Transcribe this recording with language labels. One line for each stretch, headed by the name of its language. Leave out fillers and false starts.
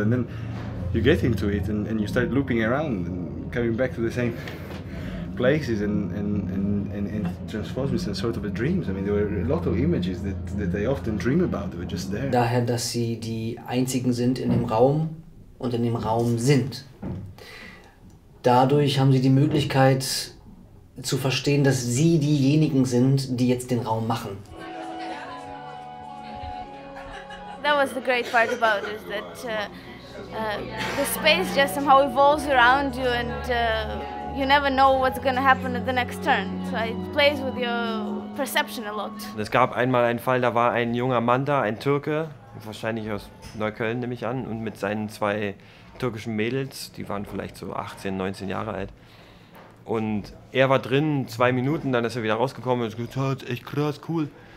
English: And then you get into it and you start looping around and coming back to the same places and transforms in sort of a dreams. I mean, there were a lot of images that I often dream about. They were just there.
German: Daher, dass sie die einzigen sind in dem Raum und in dem Raum sind. Dadurch haben sie die Möglichkeit zu verstehen, dass sie diejenigen sind, die jetzt den Raum machen.
English: That was the great part about it, that the space just somehow evolves around you and you never know what's gonna happen at the next turn. So it plays with your perception a lot.
German: Es gab einmal einen Fall, da war ein junger Mann da, ein Türke, wahrscheinlich aus Neukölln nehme ich an, und mit seinen zwei türkischen Mädels, die waren vielleicht so 18, 19 Jahre alt. Und er war drin, 2 Minuten, dann ist er wieder rausgekommen und hat gesagt, echt krass, cool.